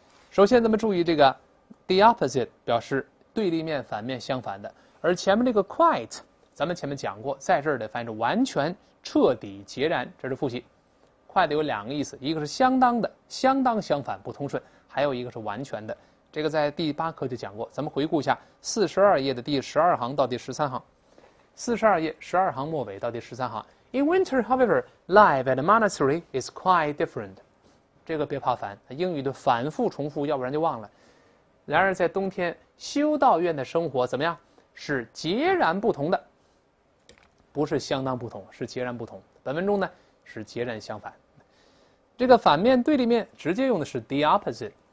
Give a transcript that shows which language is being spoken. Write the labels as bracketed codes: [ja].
[zh] 首先咱们注意这个 the opposite 表示对立面、反面、相反的，而前面这个 quite， 咱们前面讲过，在这儿得翻译成完全、彻底、截然，这是复习。 quite 有两个意思，一个是相当的、相当相反、不通顺，还有一个是完全的。这个在第八课就讲过，咱们回顾一下42页的第12行到第13行。 42页12行末尾到第13行。 [en] In winter, however, life at the monastery is quite different。 [zh] 这个别怕烦，英语的反复重复，要不然就忘了。然而在冬天。修道院的生活怎么样？是截然不同的，不是相当不同，是截然不同。本文中呢是截然相反，这个反面对立面直接用的是 the opposite。